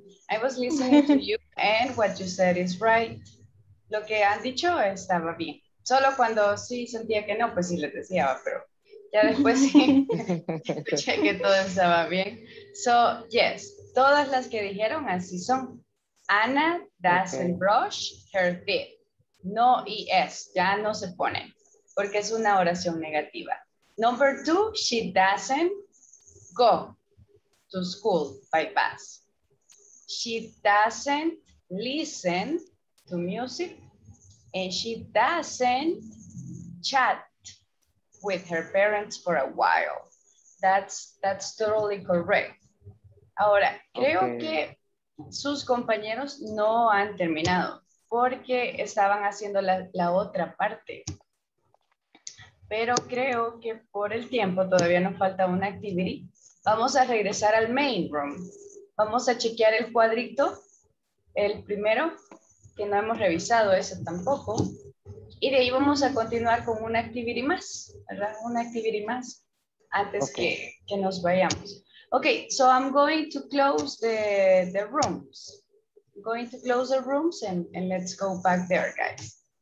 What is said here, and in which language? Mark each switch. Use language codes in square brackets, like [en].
[en] I was listening to you and what you said is right. [es] Lo que han dicho estaba bien. Solo cuando sí sentía que no, pues sí les decía, pero ya después sí escuché que todo estaba bien. [en] So, yes, [es] todas las que dijeron así son. [en] Anna doesn't brush her teeth. [es] No ES, ya no se pone, porque es una oración negativa. [en] Number two, she doesn't go to school by bus. She doesn't listen to music and she doesn't chat with her parents for a while. That's totally correct. [es] Ahora, creo que sus compañeros no han terminado porque estaban haciendo la otra parte. Pero creo que por el tiempo todavía nos falta una actividad. Vamos a regresar al main room. Vamos a chequear el cuadrito, el primero, que no hemos revisado ese tampoco. Y de ahí vamos a continuar con una activity más, ¿verdad? Una activity más antes que nos vayamos. [en] Okay, so I'm going to close the rooms. I'm going to close the rooms and let's go back there, guys.